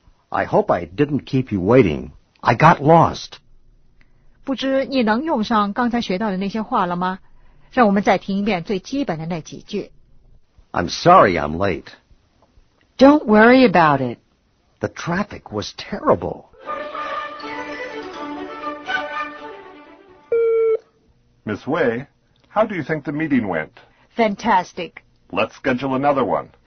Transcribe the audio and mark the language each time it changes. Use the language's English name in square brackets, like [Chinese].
[English] I hope I didn't keep you waiting. I got lost. [Chinese] 不知你能用上刚才学到的那些话了吗？让我们再听一遍最基本的那几句。 [English] I'm sorry I'm late. Don't worry about it. The traffic was terrible. Miss Wei, how do you think the meeting went? Fantastic. Let's schedule another one.